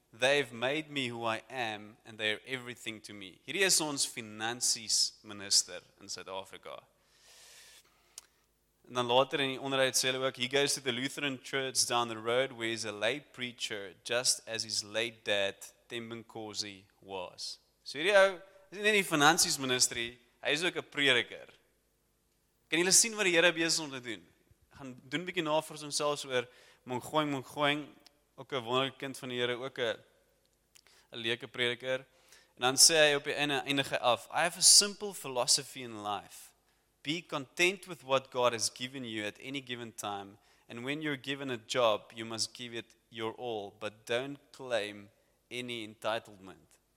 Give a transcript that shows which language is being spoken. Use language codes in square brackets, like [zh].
[en] They've made me who I am and they're everything to me. [af] Hierdie is ons finansies minister in Suid-Afrika. En dan later in die onderhoud sê hulle ook [en] he goes to the Lutheran church down the road where he's a lay preacher just as his late dad Tembenkosi was. [af] So hierdie ou is nie die finansies ministerie, hy is ook 'n prediker. Kan julle sien wat die Here besig is om te doen? Gaan doen 'n bietjie navorsing homself oor Mongoing, ook 'n wonderlike kind van die Here, ook 'n leuke prediker. En dan sê hy op die einde af, [en] I have a simple philosophy in life. Be content with what God has given you at any given time and when you're given a job, you must give it your all, but don't claim any entitlement.